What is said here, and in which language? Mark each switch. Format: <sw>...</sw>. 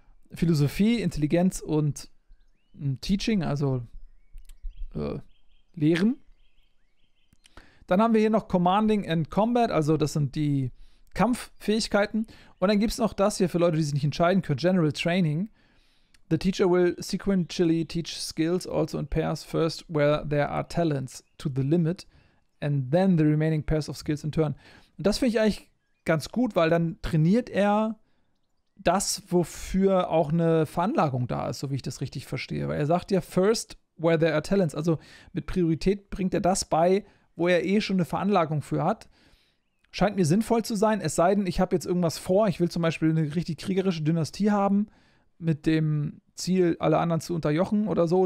<de>Philosophie, Intelligenz und Teaching, also Lehren. Dann haben wir hier noch Commanding and Combat, also das sind die Kampffähigkeiten. Und dann gibt es noch das hier für Leute, die sich nicht entscheiden können.</de> <en>General Training. The teacher will sequentially teach skills also in pairs first where there are talents to the limit. And then the remaining pairs of skills in turn.</en> <de>Und das finde ich eigentlich ganz gut, weil dann trainiert er das, wofür auch eine Veranlagung da ist, so wie ich das richtig verstehe. Weil er sagt ja,</de> <en>first where there are talents.</en> <de>Also mit Priorität bringt er das bei, wo er eh schon eine Veranlagung für hat. Scheint mir sinnvoll zu sein, es sei denn, ich habe jetzt irgendwas vor. Ich will zum Beispiel eine richtig kriegerische Dynastie haben mit dem Ziel, alle anderen zu unterjochen oder so.</de>